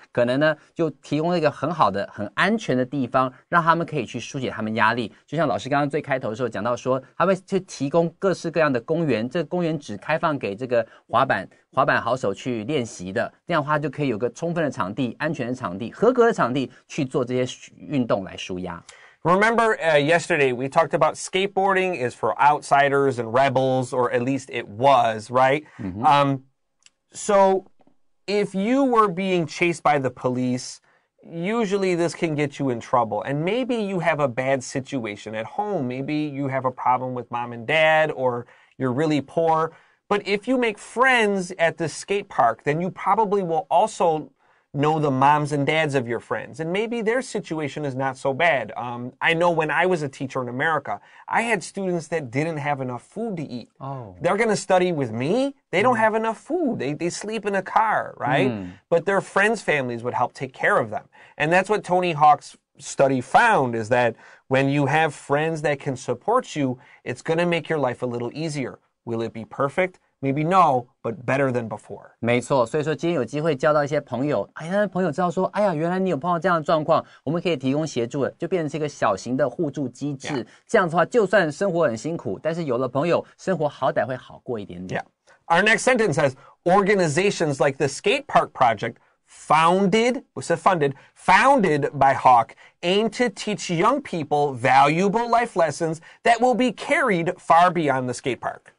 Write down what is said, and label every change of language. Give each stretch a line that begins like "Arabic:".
Chinese: 可能呢就提供一个很好的很安全的地方，让他们可以去疏解他们压力。就像老师刚刚最开头的时候讲到说，他会去提供各式各样的公园，这个公园只开放给这个滑板好手去练习的，这样的话就可以有个充分的场地、安全的场地、合格的场地去做这些运动来舒压。
English: Remember, yesterday we talked about skateboarding is for outsiders and rebels, or at least it was, right? Mm-hmm. So if you were being chased by the police, usually this can get you in trouble. And maybe you have a bad situation at home. Maybe you have a problem with mom and dad, or you're really poor. But if you make friends at the skate park, then you probably will also know the moms and dads of your friends. And maybe their situation is not so bad. I know when I was a teacher in America, I had students that didn't have enough food to eat. Oh. They're going to study with me. They don't have enough food. They sleep in a car, right? Mm. But their friends' families would help take care of them. And that's what Tony Hawk's study found, is that when you have friends that can support you, it's going to make your life a little easier. Will it be perfect? Maybe no, but better than before.
Chinese: 没错，所以说今天有机会交到一些朋友，哎呀，朋友知道说，哎呀，原来你有碰到这样的状况，我们可以提供协助，就变成是一个小型的互助机制。
English: Yeah.
Chinese: 这样的话，就算生活很辛苦，但是有了朋友，生活好歹会好过一点点。
English: Yeah. Our next sentence says, organizations like the Skate Park Project, founded by Hawk, aim to teach young people valuable life lessons that will be carried far beyond the skate park.